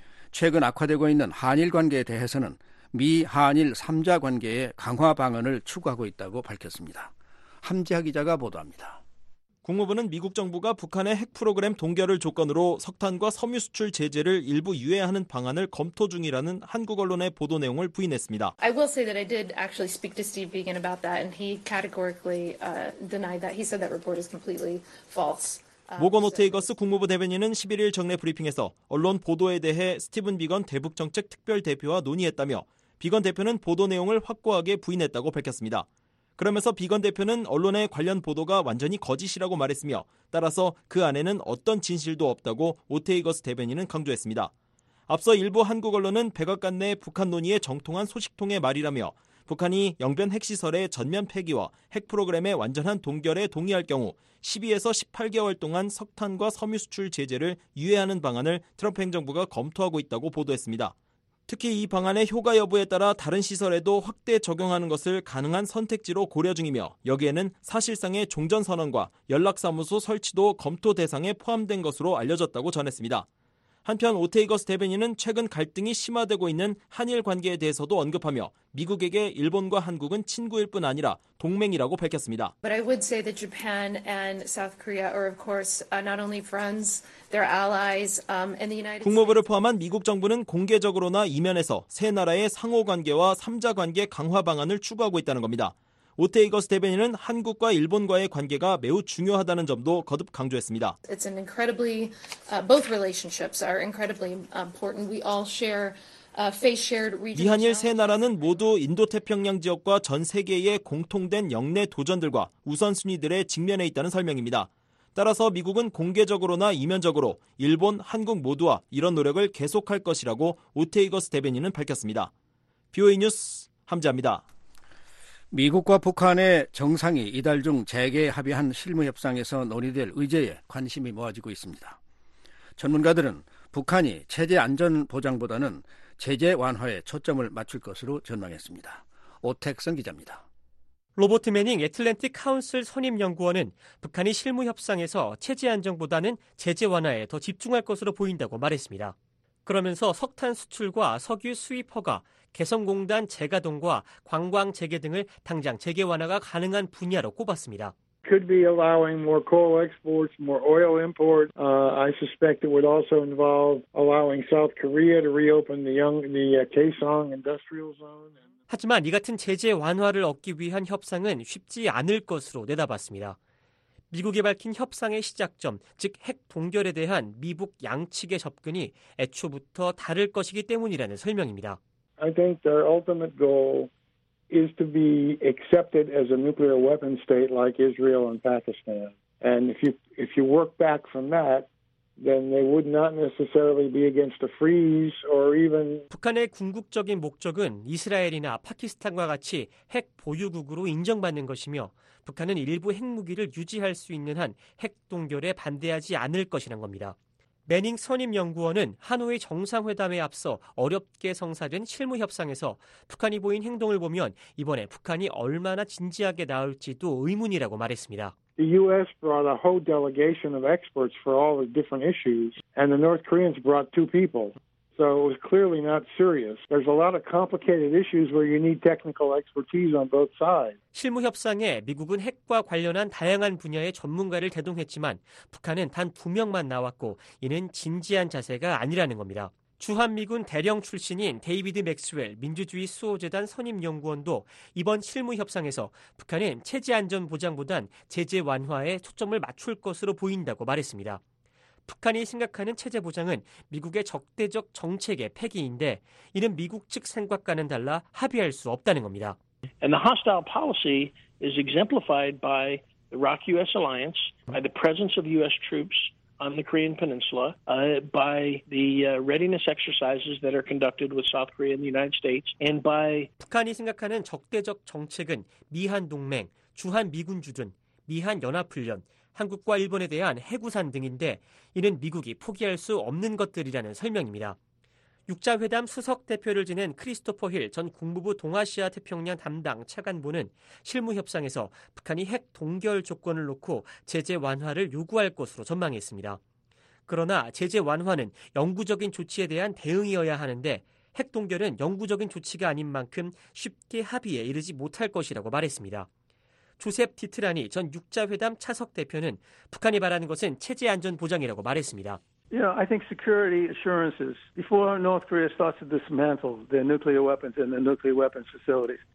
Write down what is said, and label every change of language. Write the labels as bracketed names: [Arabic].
[Korean] 최근 악화되고 있는 한일 관계에 대해서는 미 한일 3자 관계의 강화 방안을 추구하고 있다고 밝혔습니다. 함지하 기자가 보도합니다. 국무부는 미국 정부가 북한의 핵 프로그램 동결을 조건으로 석탄과 섬유 수출 제재를 일부 유예하는 방안을 검토 중이라는 한국 언론의 보도 내용을 부인했습니다. [English] I will say that I did actually speak to Steve Biegun about that and he categorically denied that. He said that report is completely false. [Korean] 모건 오테이거스 국무부 대변인은 11일 정례 브리핑에서 언론 보도에 대해 스티븐 비건 대북정책특별대표와 논의했다며 비건 대표는 보도 내용을 확고하게 부인했다고 밝혔습니다. 그러면서 비건 대표는 언론의 관련 보도가 완전히 거짓이라고 말했으며 따라서 그 안에는 어떤 진실도 없다고 오테이거스 대변인은 강조했습니다. 앞서 일부 한국 언론은 백악관 내 북한 논의에 정통한 소식통의 말이라며 북한이 영변 핵시설의 전면 폐기와 핵 프로그램의 완전한 동결에 동의할 경우 12에서 18개월 동안 석탄과 섬유 수출 제재를 유예하는 방안을 트럼프 행정부가 검토하고 있다고 보도했습니다. 특히 이 방안의 효과 여부에 따라 다른 시설에도 확대 적용하는 것을 가능한 선택지로 고려 중이며 여기에는 사실상의 종전선언과 연락사무소 설치도 검토 대상에 포함된 것으로 알려졌다고 전했습니다. 한편 오테이거스 대변인은 최근 갈등이 심화되고 있는 한일 관계에 대해서도 언급하며 미국에게 일본과 한국은 친구일 뿐 아니라 동맹이라고 밝혔습니다. [English] But I would say that Japan and South Korea are of course not only friends, they're allies and the United [Korean] 국무부를 포함한 미국 정부는 공개적으로나 이면에서 세 나라의 상호 관계와 3자 관계 강화 방안을 추구하고 있다는 겁니다. 오테이거스 대변인은 한국과 일본과의 관계가 매우 중요하다는 점도 거듭 강조했습니다. [English] It's an incredibly both relationships are incredibly important. We all share face shared region. [Korean] 미한일 세 나라는 모두 인도태평양 지역과 전 세계의 공통된 영내 도전들과 우선순위들의 직면에 있다는 설명입니다. 따라서 미국은 공개적으로나 이면적으로 일본, 한국 모두와 이런 노력을 계속할 것이라고 오테이거스 대변인은 밝혔습니다. VOA 뉴스 함재합니다. 미국과 북한의 정상이 이달 중 재개 합의한 실무협상에서 논의될 의제에 관심이 모아지고 있습니다. 전문가들은 북한이 체제 안전보장보다는 제재 완화에 초점을 맞출 것으로 전망했습니다. 오택선 기자입니다. 로버트 매닝 애틀랜틱 카운슬 선임연구원은 북한이 실무협상에서 체제 안정보다는 제재 완화에 더 집중할 것으로 보인다고 말했습니다. 그러면서 석탄 수출과 석유 수입 허가, 개성공단 재가동과 관광 재개 등을 당장 재개 완화가 가능한 분야로 꼽았습니다. [English] Could be allowing more coal exports, more oil import. I suspect it would also involve allowing South Korea to reopen the Kaesong industrial zone. [Korean] 하지만 이 같은 제재 완화를 얻기 위한 협상은 쉽지 않을 것으로 내다봤습니다. 미국이 밝힌 협상의 시작점, 즉 핵 동결에 대한 미북 양측의 접근이 애초부터 다를 것이기 때문이라는 설명입니다. [English] I think their ultimate goal is to be accepted as a nuclear weapon state like Israel and Pakistan. And if you work back from that, then they would not necessarily be against a freeze or even [Korean] 북한의 궁극적인 목적은 이스라엘이나 파키스탄과 같이 핵 보유국으로 인정받는 것이며 북한은 일부 핵무기를 유지할 수 있는 한 핵 동결에 반대하지 않을 것이란 겁니다. 매닝 선임연구원은 하노이 정상회담에 앞서 어렵게 성사된 실무협상에서 북한이 보인 행동을 보면 이번에 북한이 얼마나 진지하게 나올지도 의문이라고 말했습니다. [English] The U.S. brought a whole delegation of experts for all the different issues, and the North Koreans brought two people. So it was clearly not serious. There's a lot of complicated issues where you need technical expertise on both sides. [Korean] 실무 협상에 미국은 핵과 관련한 다양한 분야의 전문가를 대동했지만 북한은 단 두 명만 나왔고 이는 진지한 자세가 아니라는 겁니다. 주한미군 대령 출신인 데이비드 맥스웰 민주주의 수호재단 선임연구원도 이번 실무 협상에서 북한은 체제 안전 보장보단 제재 완화에 초점을 맞출 것으로 보인다고 말했습니다. 북한이 생각하는 체제 보장은 미국의 적대적 정책의 폐기인데 이는 미국 측 생각과는 달라 합의할 수 없다는 겁니다. [English] And the hostile policy is exemplified by the Iraq-U.S. alliance, by the presence of U.S. troops on the Korean Peninsula, by the readiness exercises that are conducted with South Korea and the United States, and by [Korean] 북한이 생각하는 적대적 정책은 미한 동맹, 주한 미군 주둔, 미한 연합 훈련. 한국과 일본에 대한 핵우산 등인데 이는 미국이 포기할 수 없는 것들이라는 설명입니다. 육자회담 수석대표를 지낸 크리스토퍼 힐 전 국무부 동아시아 태평양 담당 차관보는 실무협상에서 북한이 핵 동결 조건을 놓고 제재 완화를 요구할 것으로 전망했습니다. 그러나 제재 완화는 영구적인 조치에 대한 대응이어야 하는데 핵 동결은 영구적인 조치가 아닌 만큼 쉽게 합의에 이르지 못할 것이라고 말했습니다. 조셉 디트라니 전 육자회담 차석 대표는 북한이 바라는 것은 체제 안전 보장이라고 말했습니다. [English] Yeah, I think security assurances before North Korea starts to dismantle their nuclear weapons and their nuclear weapons facilities.